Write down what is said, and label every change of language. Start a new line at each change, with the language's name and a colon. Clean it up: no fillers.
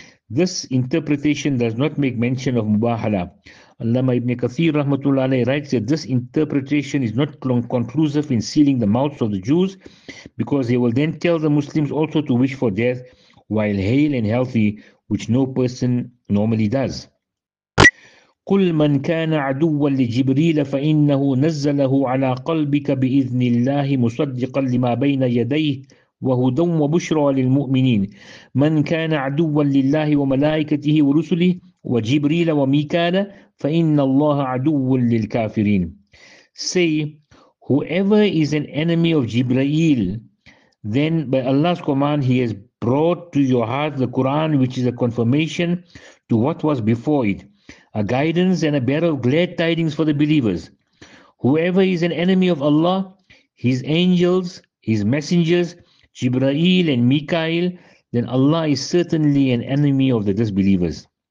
English: This interpretation does not make mention of mubahala. Allama ibn Kathir rahmatullah alayhi writes that this interpretation is not conclusive in sealing the mouths of the Jews, because they will then tell the Muslims also to wish for death while hale and healthy, which no person normally does.
Arabic: قل من كان عدوا لجبريل فإنه نزله على قلبك بإذن الله مصدقا لما بين يديه وهدى وبشرى للمؤمنين من كان عدوا لله وملائكته ورسله وجبريل وميكال فإن الله عدو للكافرين.
English: Say, whoever is an enemy of Jibreel, then by Allah's command he has brought to your heart the Quran, which is a confirmation to what was before it, a guidance and a bearer of glad tidings for the believers. Whoever is an enemy of Allah, his angels, his messengers, Jibreel and Mikael, then Allah is certainly an enemy of the disbelievers.